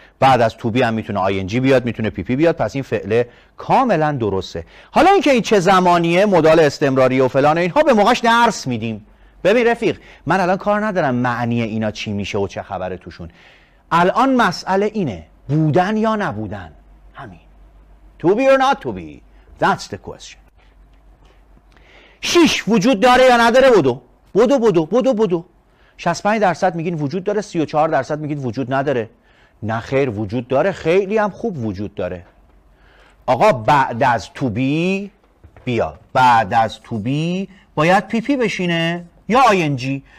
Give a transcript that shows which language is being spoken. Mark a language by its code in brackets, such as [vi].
[fa] بعد از توبی هم میتونه آی ان جی بیاد، میتونه پی پی بیاد. پس این فعله کاملا درسته. حالا اینکه این چه زمانیه، مدال استمراری و فلان، اینها به موقعش درس میدیم. ببین رفیق، من الان کار ندارم معنی اینا چی میشه و چه خبره توشون. الان مسئله اینه بودن یا نبودن، همین. [en] To be or not to be, that's the question. [fa] 6 وجود داره یا نداره. بودو بودو بودو بودو بودو. 65% میگین وجود داره، 34% میگین وجود نداره. نه خیر، وجود داره، خیلی هم خوب وجود داره. آقا بعد از تو بی بیا، بعد از تو بی باید پی پی بشینه یا آی ان جی.